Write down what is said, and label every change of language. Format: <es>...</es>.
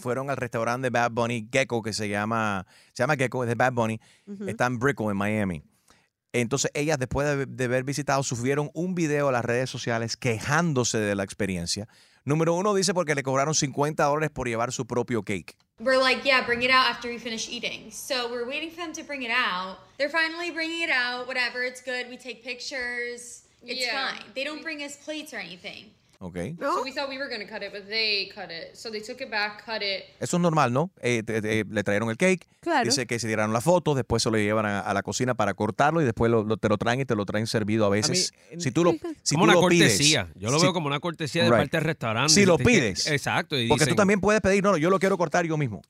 <es>Fueron al restaurante Bad Bunny Gecko, que se llama Gecko, es de Bad Bunny. Uh-huh. Está en Brickell, en Miami. Entonces ellas, después de haber visitado, subieron un video a las redes sociales quejándose de la experiencia. Número uno dice porque le cobraron $50 por llevar su propio cake.</es> <en>We're like, yeah, bring it out after we finish eating. So we're waiting for them to bring it out. They're finally bringing it out. Whatever, it's good. We take pictures. It's fine. They don't bring us plates or anything. Okay. No. So we thought we were going to cut it, but they cut it. So they took it back, cut it.</en> <es>Eso es normal, ¿no? Le trajeron el cake. Claro. Dice que se tiraron la foto, después se lo llevan a la cocina para cortarlo y después te lo traen servido a veces. Veo como una cortesía de parte del restaurante. Si lo pides. Que, exacto. Y porque dicen, tú también puedes pedir, no, yo lo quiero cortar yo mismo.</es>